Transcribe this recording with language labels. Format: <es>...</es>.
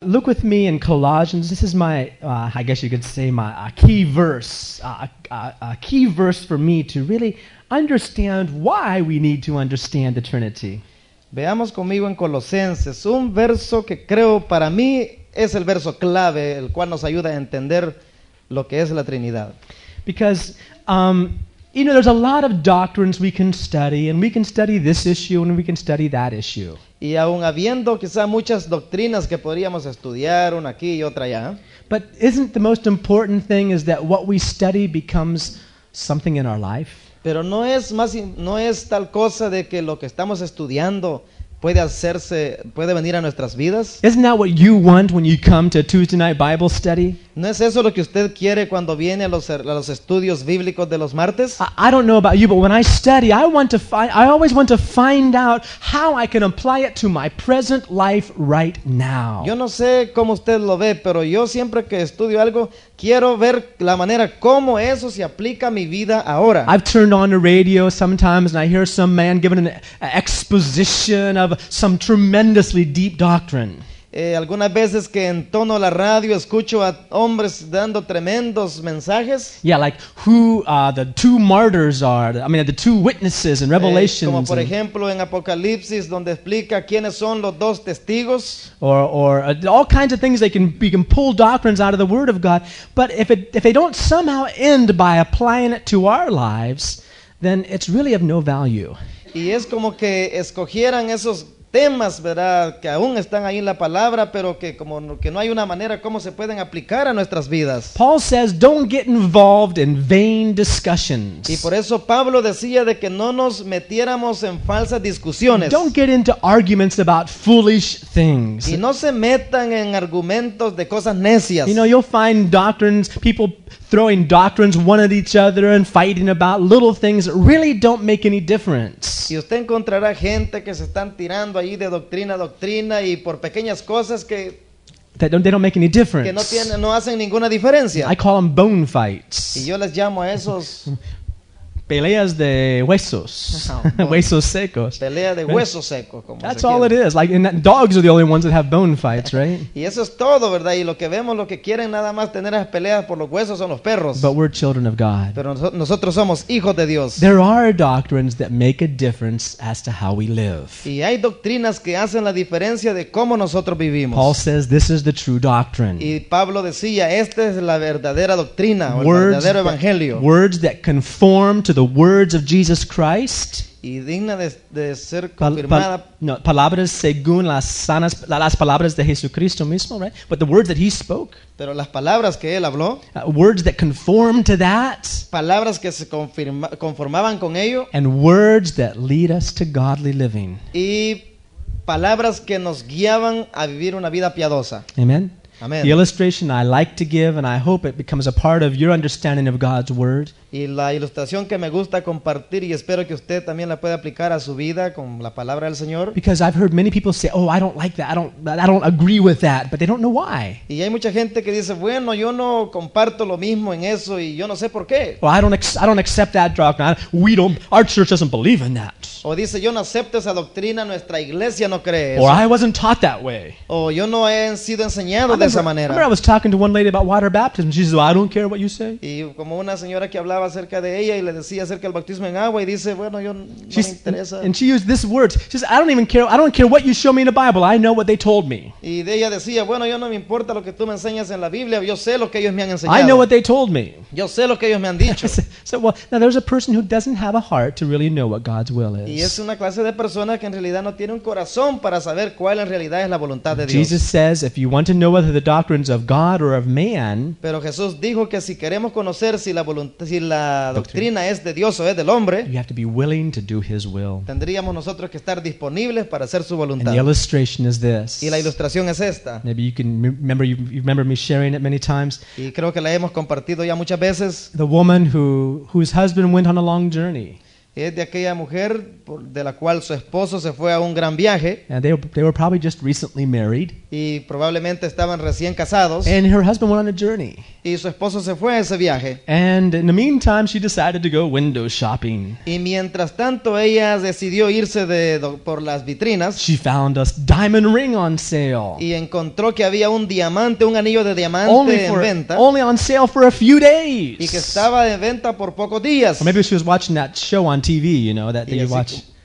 <en>look with me in Colossians. This is my, I guess you could say, my key verse, a key verse for me to really understand why we need to understand the Trinity.</en> <es>Veamos conmigo en Colosenses, un verso que creo para mí es el verso clave, el cual nos ayuda a entender lo que es la Trinidad.</es> <en>Because, you know, there's a lot of doctrines we can study, and we can study this issue, and we can study that issue.</en> <es>Y aún habiendo quizá muchas doctrinas que podríamos estudiar, una aquí y otra allá.</es> <en>But isn't the most important thing is that what we study becomes something in our life?</en> <es>Pero no es más, no es tal cosa de que lo que estamos estudiando puede hacerse, puede venir a nuestras vidas.</es> <en>Isn't that what you want when you come to a Tuesday night Bible study?</en> <es>¿No es eso lo que usted quiere cuando viene a los estudios bíblicos de los martes?</es> <en>I don't know about you, but when I study, I always want to find out how I can apply it to my present life right now.</en> <es>Yo no sé cómo usted lo ve, pero yo siempre que estudio algo, quiero ver la manera cómo eso se aplica a mi vida ahora.</es> <en>I've turned on the radio sometimes and I hear some man giving an exposition of some tremendously deep doctrine.</en> <es>Algunas veces que entono la radio escucho a hombres dando tremendos mensajes.</es> <en>Yeah, like who the two martyrs are. I mean, the two witnesses in Revelation.</en> <es>Como por ejemplo en Apocalipsis donde explica quiénes son los dos testigos.</es> <en>Or all kinds of things you can pull doctrines out of the Word of God. But if they don't somehow end by applying it to our lives, then it's really of no value.</en> <es>Y es como que escogieran esos temas, ¿verdad?, que aún están ahí en la palabra, pero que como que no hay una manera cómo se pueden aplicar a nuestras vidas.</es> <en>Paul says, "Don't get involved in vain discussions."</en> <es>Y por eso Pablo decía de que no nos metiéramos en falsas discusiones.</es> <en>Don't get into arguments about foolish things.</en> <es>Y no se metan en argumentos de cosas necias.</es> <en>You know, you'll find doctrines, people throwing doctrines one at each other and fighting about little things that really don't make any difference.</en> <es>Y usted encontrará gente que se están tirando ahí de doctrina a doctrina y por pequeñas cosas que</es> <en>they don't make any difference.</en> <es>Que no tienen, no hacen ninguna diferencia.</es> <en>I call them bone fights.</en> <es>Y yo les llamo a esos peleas de huesos. Huesos secos. Pelea de huesos secos, como</es> <en>that's all it is. Like, and that, dogs are the only ones that have bone fights, right?</en> <es>Y eso es todo, ¿verdad? Y lo que vemos, lo que quieren nada más tener las peleas por los huesos son los perros.</es> <en>But we're children of God.</en> <es>Pero nosotros somos hijos de Dios.</es> <en>There are doctrines that make a difference as to how we live.</en> <es>Y hay doctrinas que hacen la diferencia de cómo nosotros vivimos.</es> <en>Paul says this is the true doctrine.</en> <es>Y Pablo decía, esta es la verdadera doctrina, o el verdadero evangelio.</es> <en>Words that conform to the words of Jesus Christ.</en> <es>Y digna de ser confirmada. Palabras según las palabras de Jesucristo mismo,</es> <en>right? But the words that he spoke.</en> <es>Pero las palabras que él habló.</es> <en>Words that conform to that.</en> <es>Palabras que se conformaban con ello.</es> <en>And words that lead us to godly living.</en> <es>Y palabras que nos guiaban a vivir una vida piadosa.</es> <en>Amen. The illustration I like to give, and I hope it becomes a part of your understanding of God's word.</en> <es>Y la ilustración que me gusta compartir, y espero que usted también la pueda aplicar a su vida con la palabra del Señor.</es> <en>Because I've heard many people say, "Oh, I don't like that. I don't agree with that," but they don't know why.</en> <es>Y hay mucha gente que dice, "Bueno, yo no comparto lo mismo en eso, y yo no sé por qué."</es> <en>Well, I don't accept that doctrine. Our church doesn't believe in that.</en> <es>O dice, "Yo no acepto esa doctrina. Nuestra iglesia no cree eso."</es> <en>Or I wasn't taught that way.</en> <es>O yo no he sido enseñado.</es> <en>Remember, I was talking to one lady about water baptism. She says, "Well, I don't care what you say."</en> <es>Y como una señora que hablaba acerca de ella y le decía acerca del bautismo en agua y dice, bueno, yo no me interesa.</es> <en>And she used this word. She says, "I don't even care. I don't care what you show me in the Bible. I know what they told me."</en> <es>Y de ella decía, bueno, yo no me importa lo que tú me enseñas en la Biblia. Yo sé lo que ellos me han enseñado.</es> <en>I know what they told me.</en> <es>Yo sé lo que ellos me han dicho.</es> <en>So, well, now there's a person who doesn't have a heart to really know what God's will is.</en> <es>Y es una clase de persona que en realidad no tiene un corazón para saber cuál en realidad es la voluntad de Dios.</es> <en>Jesus says, if you want to know whether the doctrines of God or of man.</en> <es>Pero Jesús dijo que si queremos conocer si la voluntad, si la doctrina es de Dios o es del hombre,</es> <en>you have to be willing to do His will.</en> <es>Tendríamos nosotros que estar disponibles para hacer su voluntad.</es> <en>And the illustration is this.</en> <es>Y la ilustración es esta.</es> <en>Maybe you can remember, you remember me sharing it many times.</en> <es>Y creo que la hemos compartido ya muchas veces.</es> <en>The woman whose husband went on a long journey.</en> <es>Es de aquella mujer de la cual su esposo se fue a un gran viaje.</es> <en>And they were probably just recently married.</en> <es>Y probablemente estaban recién casados.</es> <en>And her husband went on a journey.</en> <es>Y su esposo se fue a ese viaje.</es> <en>And in the meantime, she decided to go window shopping.</en> <es>Y mientras tanto, ella decidió irse por las vitrinas.</es> <en>She found a diamond ring on sale.</en> <es>Y encontró que había un diamante, un anillo de diamante en venta.</es> <en>Only on sale for a few days.</en> <es>Y que estaba de venta por pocos días.</es> <en>Or maybe she was watching that show on TV, you know, that you watch.</en>